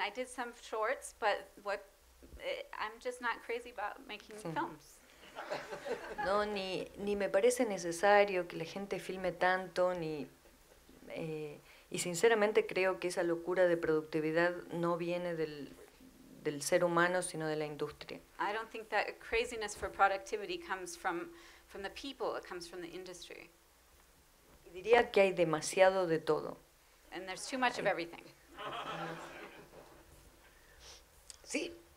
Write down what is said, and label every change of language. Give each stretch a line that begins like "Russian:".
English: I did some shorts, but I'm just not crazy about making films.
Spanish: No, ni me parece necesario que la gente filme tanto, y sinceramente creo que esa locura de productividad no viene del ser humano, sino de la industria.
English: I don't think that craziness for productivity comes from the people, it comes from the industry.
Spanish: Y diría que hay demasiado de todo.
English: And there's too much of everything.
Spanish: Sí.